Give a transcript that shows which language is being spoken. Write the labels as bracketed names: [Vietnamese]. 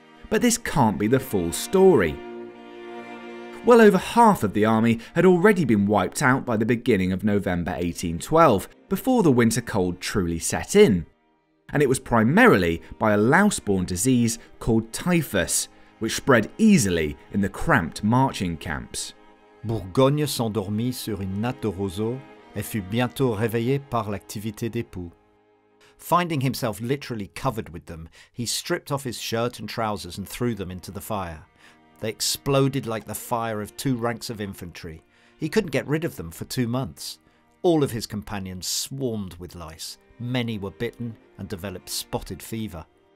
[English] But this can't be the full story. Well over half of the army had already been wiped out by the beginning of November 1812, before the winter cold truly set in. And it was primarily by a louse-borne disease called typhus, which spread easily in the cramped marching camps. [French] Bourgogne s'endormit sur une natte de roseau et fut bientôt réveillée par l'activité des poux. [English] Finding himself literally covered with them, he stripped off his shirt and trousers and threw them into the fire. They exploded like the fire of two ranks of infantry. He couldn't get rid of them for 2 months. All of his companions swarmed with lice. Many were bitten and developed spotted fever.